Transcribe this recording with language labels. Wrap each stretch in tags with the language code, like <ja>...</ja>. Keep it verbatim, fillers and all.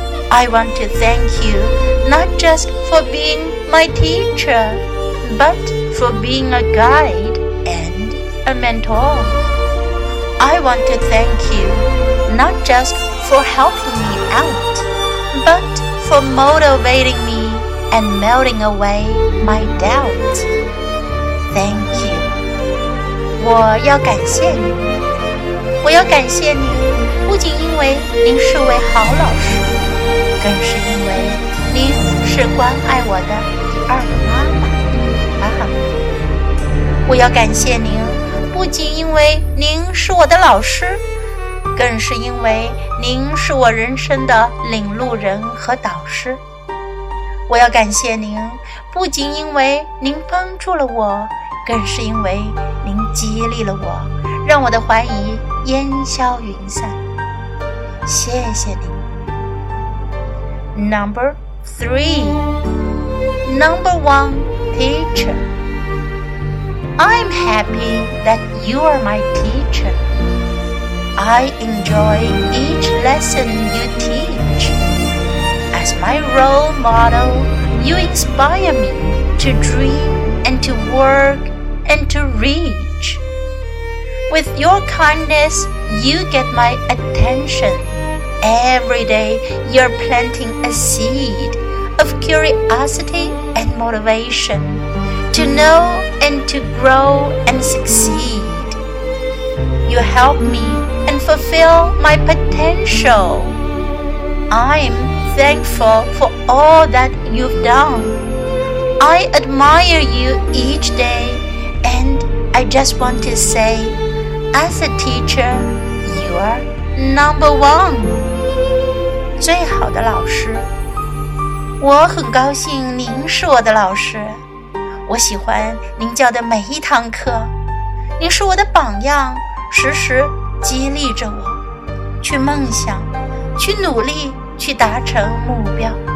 <en>I want to thank you, not just for being my teacher, but for being a guide and a mentor. I want to thank you, not justfor helping me out, but for motivating me and melting away my doubts. Thank you.</en> <zh>我要感谢你，我要感谢你，不仅因为您是位好老师，更是因为您是关爱我的第二个妈妈。啊哈！我要感谢您，不仅因为您是我的老师，更是因为您是我人生的领路人和导师。我要感谢您，不仅因为您帮助了我，更是因为您激励了我，让我的怀疑烟消云散。谢谢您。</zh> <en>Number three, number one teacher. I'm happy that you are my teacher. I enjoy each lesson you teach. As my role model, you inspire me to dream and to work and to reach. With your kindness, you get my attention. Every day, you're planting a seed of curiosity and motivation to know and to grow and succeed. You help me. And fulfill my potential. I'm thankful for all that you've done. I admire you each day, and I just want to say, as a teacher, you are number one.</en> <zh>最好的老师，我很高兴您是我的老师。我喜欢您教的每一堂课，您是我的榜样，时时激励着我去梦想，去努力，去达成目标。</zh>